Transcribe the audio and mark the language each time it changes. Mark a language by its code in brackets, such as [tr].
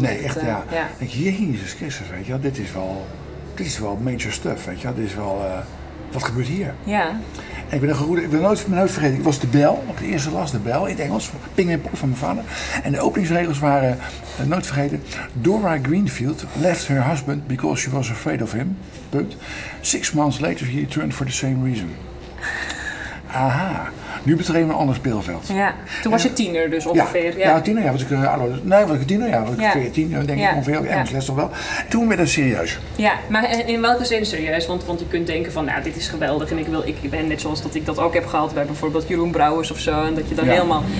[nl] Nee, echt, het, Jezus Christus, weet je wel. Dit is wel major stuff, weet je wel. Dit is wel, wat gebeurt hier? Ja. En ik ben nooit vergeten. Ik was de bel, op de eerste las de bel, in het Engels. Ping en pop van mijn vader. En de openingsregels waren, nooit vergeten. [en] Dora Greenfield left her husband because she was afraid of him. Punt. 6 months later, he returned for the same reason. Aha. [nl] nu betreden we een ander speelveld. Ja, toen was je tiener dus ongeveer. Ja, tiener, ja. Was ik veertien, denk ik ongeveer. Ja, ik les toch wel. Toen werd het serieus. Ja, maar in welke zin serieus? Want je kunt denken van, nou, dit is geweldig. En ik ben net zoals dat ik dat ook heb gehad bij bijvoorbeeld Jeroen Brouwers of zo. En dat je dan helemaal...